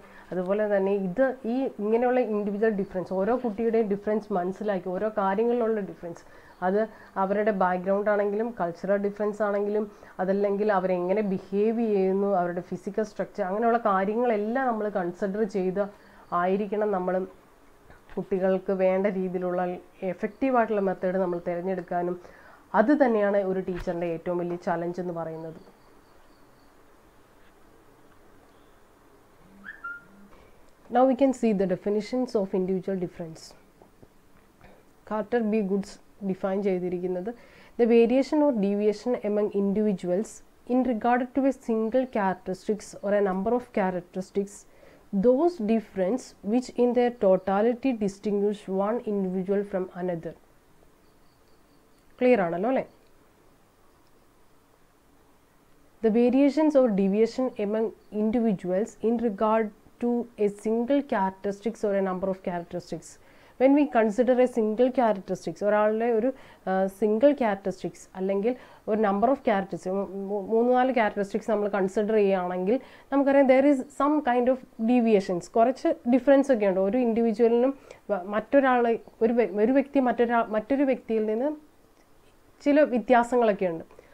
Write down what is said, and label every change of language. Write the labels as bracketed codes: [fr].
[ml] അതുപോലെ തന്നെ ഇത് ഈ ഇങ്ങനെയുള്ള ഇൻഡിവിജ്വൽ ഡിഫറൻസ്, ഓരോ കുട്ടിയുടെയും ഡിഫറൻസ് മനസ്സിലാക്കി, ഓരോ കാര്യങ്ങളിലുള്ള ഡിഫറൻസ്, അത് അവരുടെ ബാക്ക്ഗ്രൗണ്ട് ആണെങ്കിലും കൾച്ചറൽ ഡിഫറൻസ് ആണെങ്കിലും, അതല്ലെങ്കിൽ അവരെങ്ങനെ ബിഹേവ് ചെയ്യുന്നു, അവരുടെ ഫിസിക്കൽ സ്ട്രക്ചർ, അങ്ങനെയുള്ള കാര്യങ്ങളെല്ലാം നമ്മൾ കൺസിഡർ ചെയ്ത് ആയിരിക്കണം നമ്മൾ കുട്ടികൾക്ക് വേണ്ട രീതിയിലുള്ള എഫക്റ്റീവായിട്ടുള്ള മെത്തേഡ് നമ്മൾ തിരഞ്ഞെടുക്കാനും അത് തന്നെയാണ് ഒരു ടീച്ചറിൻ്റെ ഏറ്റവും വലിയ ചലഞ്ച് എന്ന് പറയുന്നത്. [en] Now we can see the definitions of individual difference. Carter B. Goods defined [ml] ചെയ്തിരിക്കുന്നത് [en] the variation or deviation among individuals in regard to a single characteristics or a number of characteristics, those difference which in their totality distinguish one individual from another. [ml] Clear ആണല്ലോ അല്ലേ? [en] The variations or deviation among individuals in regard to a single characteristics or a number of characteristics. When we consider a single characteristics, [ml] ഒരാളുടെ ഒരു single characteristics അല്ലെങ്കിൽ ഒരു number of characteristics, മൂന്ന് നാല് characteristics നമ്മൾ consider ചെയ്യുകയാണെങ്കിൽ നമുക്കറിയാം [en] there is some kind of deviations, [ml] കുറച്ച് ഡിഫറൻസ് ഒക്കെ ഉണ്ട് ഒരു ഇൻഡിവിജ്വലിനും മറ്റൊരാളെ ഒരു വ്യക്തി മറ്റൊരു വ്യക്തിയിൽ നിന്ന് ചില വ്യത്യാസങ്ങളൊക്കെ ഉണ്ട്.